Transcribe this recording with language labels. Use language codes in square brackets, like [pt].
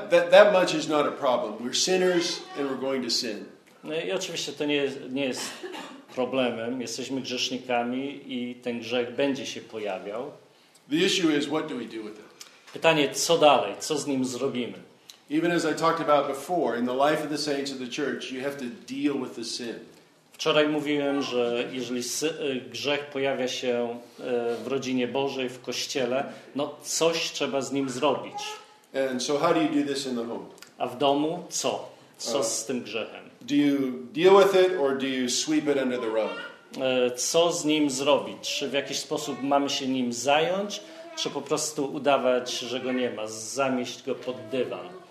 [en] That much is not a problem. We're sinners and we're going to sin. [pl] I oczywiście to nie jest problemem. Jesteśmy grzesznikami i ten grzech będzie się pojawiał. [en] The issue is, what do we do with it? [pl] Pytanie, co dalej? Co z nim zrobimy? [en] Even as I talked about before, in the life of the saints of the church, you have to deal with the sin. [pl] Wczoraj mówiłem, że jeżeli grzech pojawia się w rodzinie Bożej, w kościele, no coś trzeba z nim zrobić. [en] And so how do you do this in the home? [pl] A w domu co? Co z tym grzechem? [en] Do you deal with it or do you sweep it under the rug? [pl] Co z nim zrobić? Czy w jakiś sposób mamy się nim zająć? Czy po prostu udawać, że go nie ma, zamieść go pod dywan?